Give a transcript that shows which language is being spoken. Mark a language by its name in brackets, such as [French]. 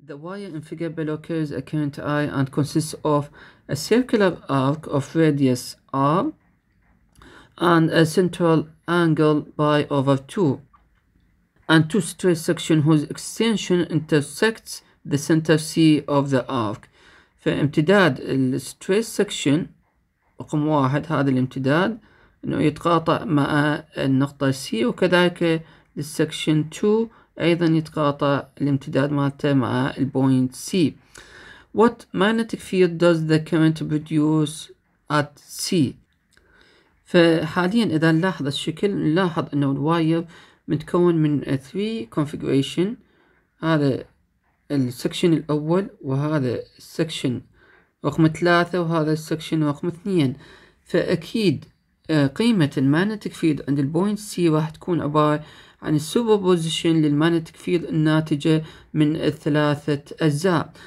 [English] wire in figure below carries a current I and consists of a circular arc of radius r and a central angle pi over 2 and two straight sections whose extension intersects the center C of the arc. [Arabic] فامتداد الstraight section رقم واحد هذا الامتداد انه يتقاطع مع النقطة C وكذلك للsection 2 ايضا يتقاطع الامتداد مالته مع البوينت C. [English] What magnetic field does the current produce at C? [Arabic] فحاليا اذا نلاحظ الشكل نلاحظ انه الواير متكون من 3 configuration. هذا السكشن الأول وهذا السكشن رقم 3 وهذا السكشن رقم 2. فأكيد قيمة المانيتك فيلد عند البوينت C راح تكون عبارة عن السوبر بوزيشن للمانيتك فيلد الناتجة من الثلاثة أجزاء.